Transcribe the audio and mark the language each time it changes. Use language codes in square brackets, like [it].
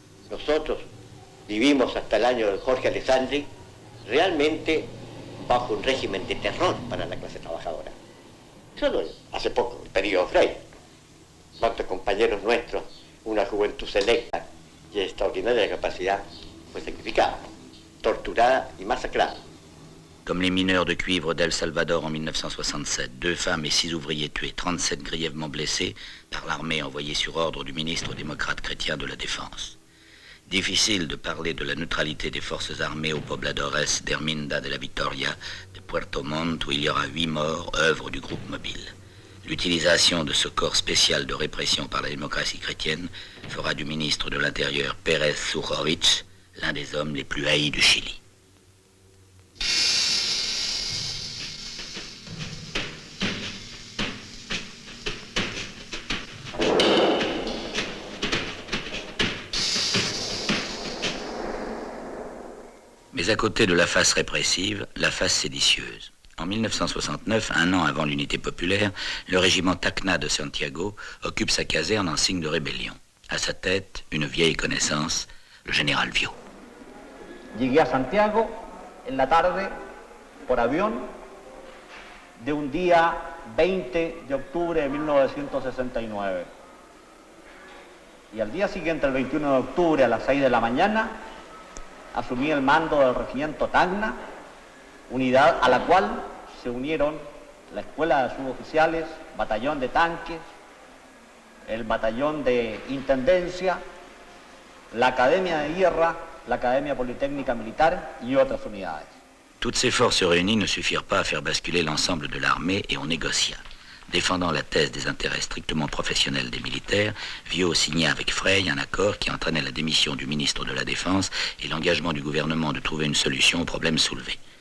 [es] Nosotros vivimos hasta el año de Jorge Alessandri realmente bajo un régimen de terror para la clase trabajadora. Solo hace poco, el periodo Frey. Cuántos compañeros nuestros, una juventud selecta y extraordinaria capacidad, fue sacrificada, torturada y masacrada. [fr] Comme les mineurs de cuivre d'El Salvador en 1967, deux femmes et six ouvriers tués, 37 grièvement blessés par l'armée envoyée sur ordre du ministre démocrate chrétien de la Défense. Difficile de parler de la neutralité des forces armées aux pobladores d'Herminda de la Victoria, de Puerto Montt, où il y aura 8 morts, œuvre du groupe mobile. L'utilisation de ce corps spécial de répression par la démocratie chrétienne fera du ministre de l'Intérieur Pérez Sujovic l'un des hommes les plus haïs du Chili. Mais à côté de la face répressive, la face séditieuse. En 1969, un an avant l'unité populaire, le régiment Tacna de Santiago occupe sa caserne en signe de rébellion. À sa tête, une vieille connaissance, le général Vio. [es] Llegué à Santiago en la tarde por avión de un día 20 de octubre de 1969. Y al día siguiente, el 21 de octubre a las 6 de la mañana, asumí el mando del regimiento Tacna, unidad a la cual se unieron la escuela de suboficiales, batallón de tanques, el batallón de intendencia, la academia de guerra, la academia politécnica militar y otras unidades. [fr] Toutes ces forces réunies ne suffirent pas à faire basculer l'ensemble de l'armée et on négocia. Défendant la thèse des intérêts strictement professionnels des militaires, Viau signa avec Frey un accord qui entraînait la démission du ministre de la Défense et l'engagement du gouvernement de trouver une solution aux problèmes soulevés.